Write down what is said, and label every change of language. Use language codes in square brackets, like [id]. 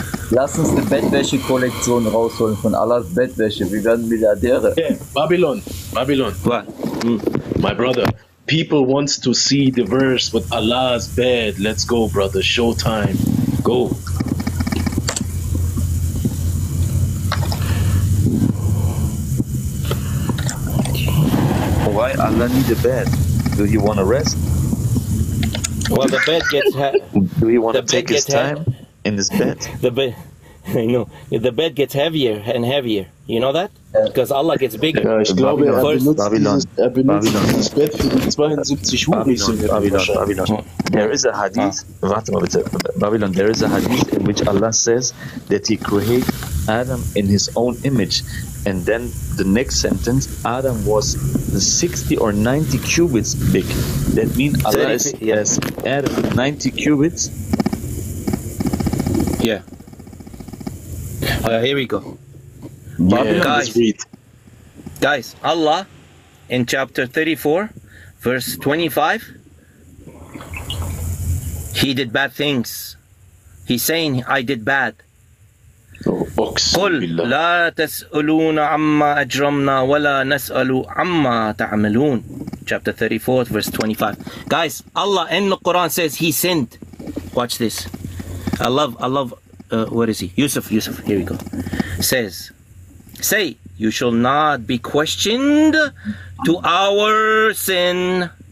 [de] Lass uns eine Bettwäsche-Kollektion rausholen von Allahs Bettwäsche. Wir werden Milliardäre. [en] Yeah. Babylon, Babylon. What? My brother, people wants to see the verse with Allah's bed. Let's go, brother. Showtime. Go. Why Allah need a bed? Do you want to rest? Well, the bed gets heavy. Do you want to take his time in his bed? The bed, you know, the bed gets heavier and heavier. You know that? Because Allah gets bigger. [de] Ja, ich glaube, er benutzt dieses Bett für die 72 Huren. [en] Babylon. There is a hadith. [de] Warte mal bitte. [en] Babylon, there is a hadith in which Allah says that he created Adam in his own image. And then the next sentence, Adam was 60 or 90 cubits big. That means Allah is, yes, Adam 90 cubits. Yeah. Here we go. Yeah. Guys, Allah in chapter 34, verse 25, he did bad things. He's saying, I did bad. [ar] قل لا تسألون عما أجرمنا ولا نسأل عما تعملون. [en] Chapter 34, verse 25. Guys, Allah in the Quran says he sinned. Watch this. I love. Where is he? Yusuf. Here we go. Says, say, you shall not be questioned to our sin.